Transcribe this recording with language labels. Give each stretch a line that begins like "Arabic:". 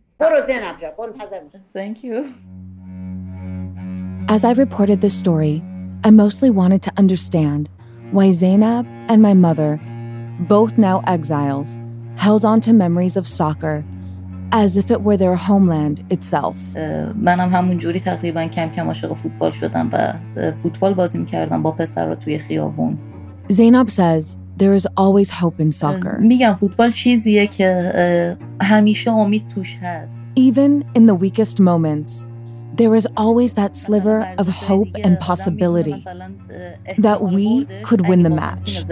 English: Thank you. As I reported this story, I mostly wanted to understand why Zainab and my mother both now exiles, held on to memories of soccer as if it were their homeland itself.
Persian: منم همونجوری تقریبا کم کم عاشق فوتبال شدم و فوتبال بازی می‌کردم با پسرا توی خیابون.
English: Zainab says there is always hope in soccer.
Persian: میگم فوتبال چیزیه که همیشه امید توش هست.
English: Even in the weakest moments, there is always that sliver of hope and possibility that we could win the match.